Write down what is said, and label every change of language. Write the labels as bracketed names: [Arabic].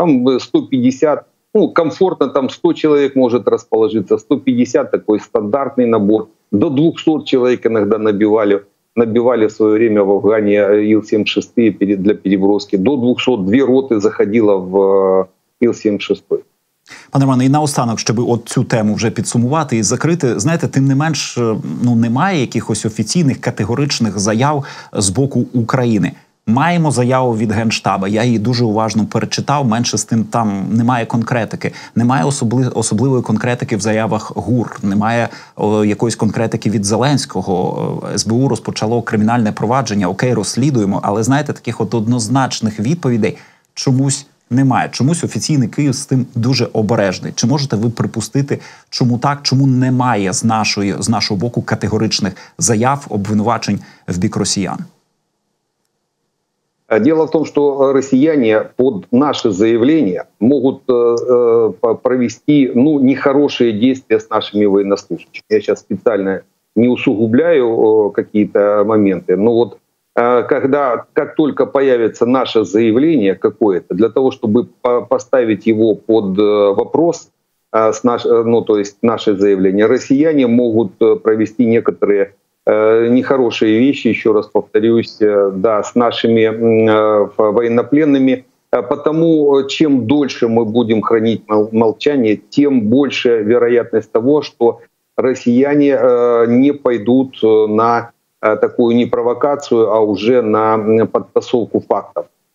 [Russian] Там 150, ну, комфортно там 100 человек может расположиться. 150 такой стандартный набор. До 200 человек иногда набивали в свое время в Афгане Ил-76 для переброски. До 200 две роты заходило в Ил-76. [Ukrainian] Пане Романе, і наостанок, щоб от цю тему вже підсумувати і закрити, знаєте, тим не менш, ну, немає якихось офіційних категоричних заяв з боку України. Маємо заяву від Генштаба, я її дуже уважно перечитав, менше з тим, там немає конкретики. Немає особливої конкретики в заявах ГУР, немає якоїсь конкретики від Зеленського. СБУ розпочало кримінальне провадження, окей, розслідуємо, але, знаєте, таких от однозначних відповідей чомусь немає. Чомусь офіційний Київ з тим дуже обережний. Чи можете ви припустити, чому так, чому немає з нашого боку категоричних заяв, обвинувачень в бік росіян? Діло в тому, що росіяни під наше заявлення можуть провести, ну, нехороші дії з нашими військовослужбами. Я зараз спеціально не усугубляю якісь моменти, [Russian] ну, от когда, как только появится наше заявление какое-то, для того, чтобы поставить его под вопрос, ну, то есть наше заявление, россияне могут провести некоторые нехорошие вещи, еще раз повторюсь, да, с нашими военнопленными, потому чем дольше мы будем хранить молчание, тем больше вероятность того, что россияне не пойдут на такую не провокацию, а уже на подтасовку фактов.